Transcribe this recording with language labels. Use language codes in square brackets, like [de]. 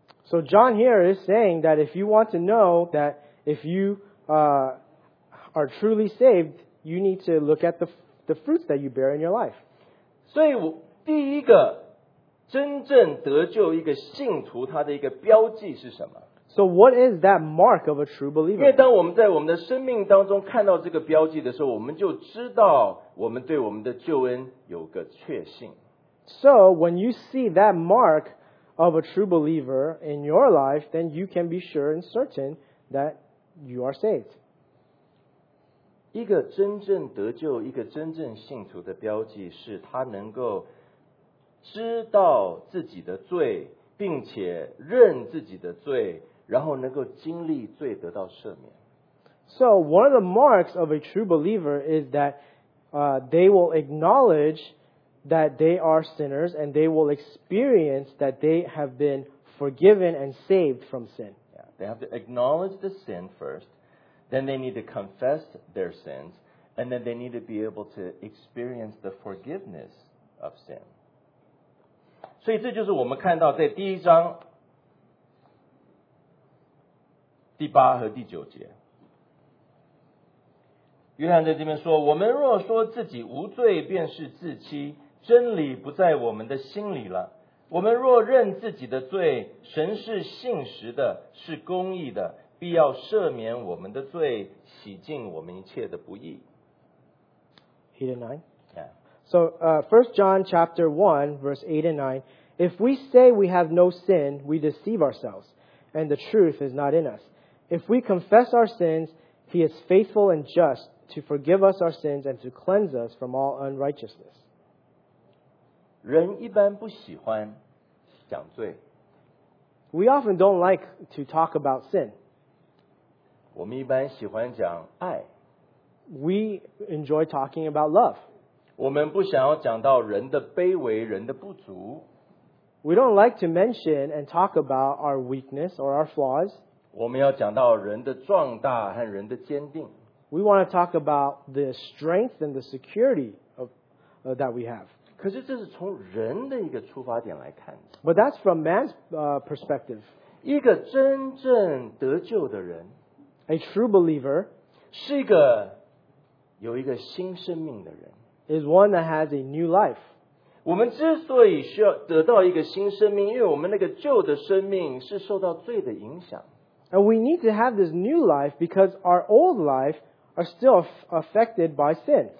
[en] So John here is saying that if you want to know that if you are truly saved, you need to look at the fruits that you bear in your life. [zh] 所以第一个真正得救一个信徒他的一个标记是什么？ [en] So what is that mark of a true believer? [zh] 因为当我们在我们的生命当中看到这个标记的时候，我们就知道我们对我们的救恩有个确信。 [en] So when you see that mark of a true believer in your life, then you can be sure and certain that you are saved. [zh] 一个真正得救，一个真正信徒的标记是他能够知道自己的罪，并且认自己的罪，然后能够经历罪得到赦免。 [en] So one of the marks of a true believer is that they will acknowledge that they are sinners and they will experience that they have been forgiven and saved from sin. Yeah, they have to acknowledge the sin first, then they need to confess their sins, and then they need to be able to experience the forgiveness of sin. [zh] 所以这就是我们看到在第一章第八和第九节，约翰在这边说，我们若说自己无罪，便是自欺，真理不在我们的心里了。我们若认自己的罪，神是信实的，是公义的，必要赦免我们的罪，洗净我们一切的不义。 [en] 8 and 9 So 1 John chapter 1 verse 8 and 9 If we say we have no sin, we deceive ourselves, and the truth is not in us. If we confess our sins, He is faithful and just to forgive us our sins and to cleanse us from all unrighteousness. [zh] 人一般不喜欢讲罪。 [en] We often don't like to talk about sin. [zh] 我们一般喜欢讲爱。 [en] We enjoy talking about love. [zh] 我们不想要讲到人的卑微，人的不足。 [en] We don't like to mention and talk about our weakness or our flaws. [zh] 我们要讲到人的壮大和人的坚定。 [en] We want to talk about the strength and the security of, that we have. [zh] 可是这是从人的一个出发点来看。 [en] But that's from man's perspective. [zh] 一个真正得救的人 [en] ，a true believer， [zh] 是一个有一个新生命的人 [en] ，is one that has a new life. [zh] 我们之所以需要得到一个新生命，因为我们那个旧的生命是受到罪的影响。 [en] And we need to have this new life because our old life are still affected by sin.